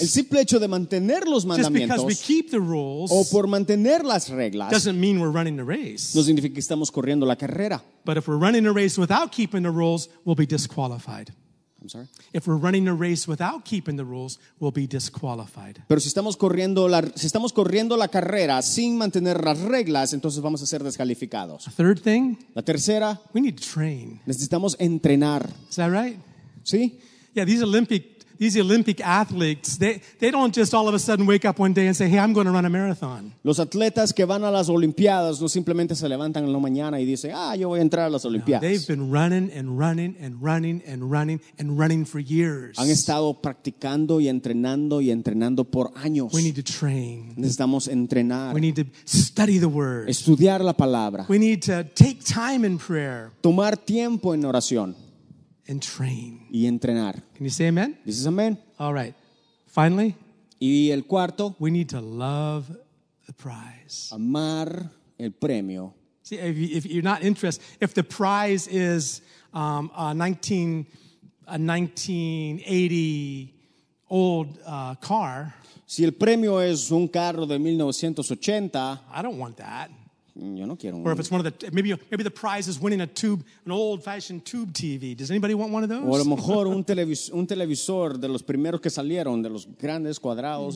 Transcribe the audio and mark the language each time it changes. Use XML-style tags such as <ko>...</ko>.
<es>El simple hecho de mantener los mandamientos.</es> <en>Keep the rules,</en> <es>o por mantener las reglas,</es> <en>doesn't mean we're running the race.</en> <es>No significa que estamos corriendo la carrera.</es> <en>But if we're running a race without keeping the rules, we'll be disqualified. I'm sorry. If we're running a race without keeping the rules, we'll be disqualified.</en> <es>Pero si estamos corriendo la carrera sin mantener las reglas, entonces vamos a ser descalificados.</es> <en>A third thing.</en> <es>La tercera.</es> <en>We need to train.</en> <es>Necesitamos entrenar.</es> <en>Is that right?</en> <es>Sí.</es> <en>Yeah, these Olympic athletes, they don't just all of a sudden wake up one day and say, hey, I'm going to run a marathon.</en> <es>Los atletas que van a las Olimpiadas no simplemente se levantan en la mañana y dicen, ah, yo voy a entrar a las Olimpiadas.</es> <en>No, they've been running and running and running and running and running for years.</en> <es>Han estado practicando y entrenando por años.</es> <en>We need to train.</en> <es>Necesitamos entrenar.</es> <en>We need to study the word.</en> <es>Estudiar la palabra.</es> <en>We need to take time in prayer.</en> <es>Tomar tiempo en oración.</es> <en>And train.</en> <es>Y entrenar.</es> <en>Can you say amen? This is amen. All right. Finally.</en> <es>Y el cuarto.</es> <en>We need to love the prize.</en> <es>Amar el premio.</es> <en>See, if you're not interested, if the prize is a 1980 old car.</en> <es>Si el premio es un carro de 1980.</es> <en>I don't want that.</en> <es>Yo no quiero.</es> <en>Or if it's one of the maybe the prize is winning an old-fashioned tube TV. Does anybody want one of those?</en> <es>O a lo mejor un televisor de los primeros que salieron, de los grandes cuadrados.</es>